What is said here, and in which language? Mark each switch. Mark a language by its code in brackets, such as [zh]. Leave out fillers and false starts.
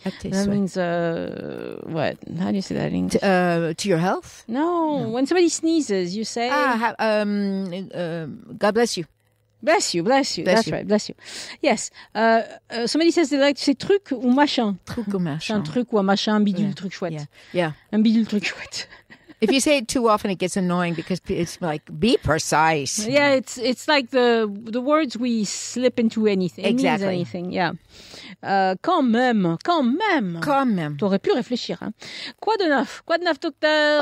[fr] À tes souhaits. [en] That means, what? How do you say that in English? To your health? No. When somebody sneezes, you say... God bless you. Bless you, bless you. Bless That's you. Right, bless you. Yes. Somebody says they like to say [fr] truc ou machin. Truc ou machin. C'est un truc ou un machin, un bidule, truc chouette. [en] Yeah. [fr] Un bidule, truc chouette. [en] If you say it too often, it gets annoying because it's like, be precise. Yeah, it's like the words we slip into anything. Exactly. Means anything, yeah. [fr] Quand même. Quand même. T'aurais pu réfléchir. Hein. Quoi de neuf? Quoi de neuf, docteur?